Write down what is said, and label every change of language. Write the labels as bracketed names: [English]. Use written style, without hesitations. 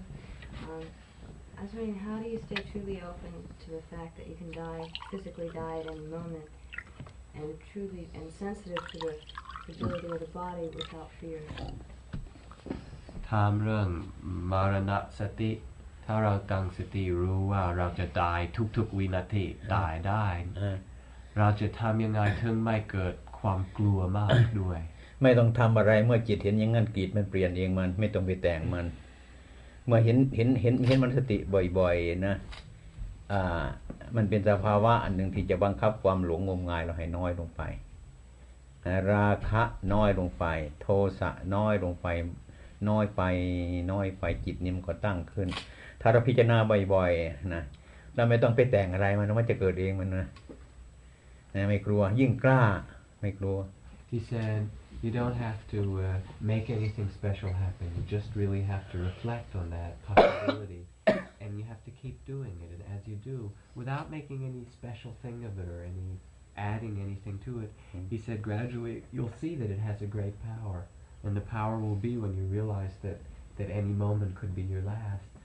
[English] I was wondering, how do you stay truly open to the fact that you can die, physically die at any moment, and truly and sensitive to the fragility of the body without fear? [Thai] ถามเรื่องมรณะสติถ้าเรากังสติรู้ว่าเราจะตายทุกๆวินาทีตายได้เราจะทำยังไงถึงไม่เกิดความกลัวมากด้วย ไม่ต้องทำอะไรเมื่อจิตเห็นอย่างนั้นจิตมันเปลี่ยนเองมันไม่ต้องไปแต่งมันเมื่อเห็นมันสติบ่อยๆนะมันเป็นสภาวะอันหนึ่งที่จะบังคับความหลงงมงายเราให้น้อยลงไปราคะน้อยลงไปโทสะน้อยลงไปน้อยไปน้อยไปจิตนิ่มก็ตั้งขึ้นถ้าเราพิจารณาบ่อยๆนะเราไม่ต้องไปแต่งอะไรมันจะเกิดเองมันนะไม่กลัวยิ่งกล้าไม่กลัว [English] He saidYou don't have to make anything special happen. You just really have to reflect on that possibility, and you have to keep doing it. And as you do, without making any special thing of it or any adding anything to it, he said, gradually you'll see that it has a great power, and the power will be when you realize that any moment could be your last.